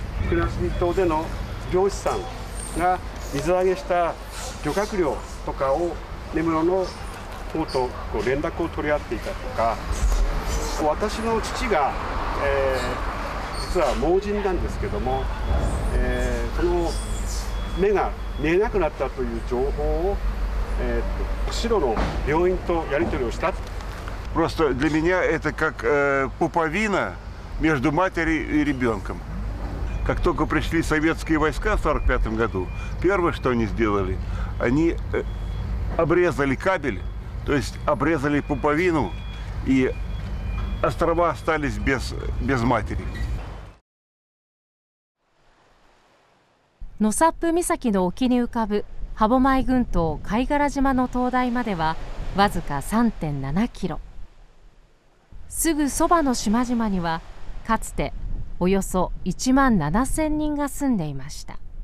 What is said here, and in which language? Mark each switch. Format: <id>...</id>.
<ja>国後島での漁師さんが水揚げした漁獲量とかを根室の方とこう連絡を取り合っていたとか、私の父が、実は盲人なんですけども、その目が寝れなくなったという情報を釧路の病院とやり取りをした。</ja> <ru>Просто для меня это как пуповина между матерью и ребенком. Как только пришли советские войска в 45-м году, первое, что они сделали, они обрезали кабель, то есть обрезали пуповину, и острова остались без матери.</ru> <ja>ノサップ岬の沖に浮かぶ歯舞群島貝殻島の灯台まではわずか 3.7 キロ。すぐそばの島々にはかつておよそ1万7000人が住んでいました。</ja>